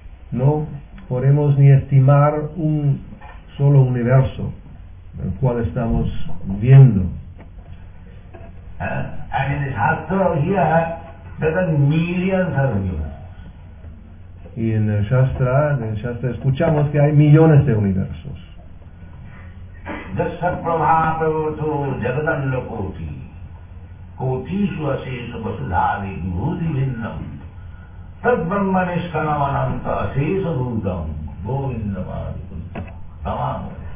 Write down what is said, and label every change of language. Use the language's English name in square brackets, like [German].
[Spanish] No podemos ni estimar un solo universo, el cual estamos viendo. [English] And in the Shastra here, there are millions of universes. [Spanish] Y en el Shastra escuchamos que hay millones de universos. Dasat Prabhupada Jagadanda Koti Koti Suasesa Vasudhari Bhuti Vinnam Tad Brahma Nishkana Vananta Asesa Bhutam Govinda Madhikuntam Tamam